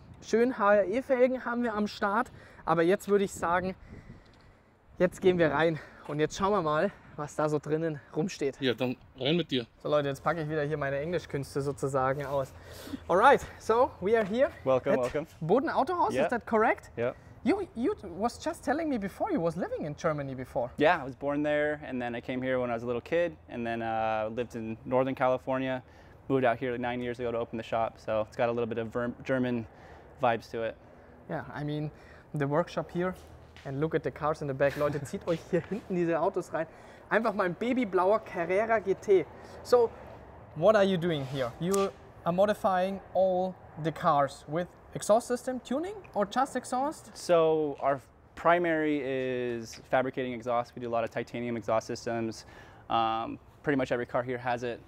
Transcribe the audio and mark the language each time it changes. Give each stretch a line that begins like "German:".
German: Schön HRE-Felgen haben wir am Start. Aber jetzt würde ich sagen, jetzt gehen wir rein. Und jetzt schauen wir mal, was da so drinnen rumsteht. Ja, dann rein mit dir. So Leute, jetzt packe ich wieder hier meine Englischkünste sozusagen aus.
English: Alright, so we are here. Welcome, welcome. Boden Autohaus, yeah. Is that correct? Yeah. You was just telling me before you was living in Germany before. Yeah, I was born there and then I came here when I was a little kid and then lived in Northern California. Moved out here like 9 years ago to open the shop. So it's got a little bit of German vibes to it. Yeah, I mean, the workshop here and look at the cars in the back.
German: Leute, zieht euch hier hinten diese Autos rein. Einfach mal ein babyblauer Carrera GT.
English: So, what are you doing here? You are modifying all the cars with exhaust system tuning or just exhaust? So our primary is fabricating exhaust. We do a lot of titanium exhaust systems. Pretty much every car here has it.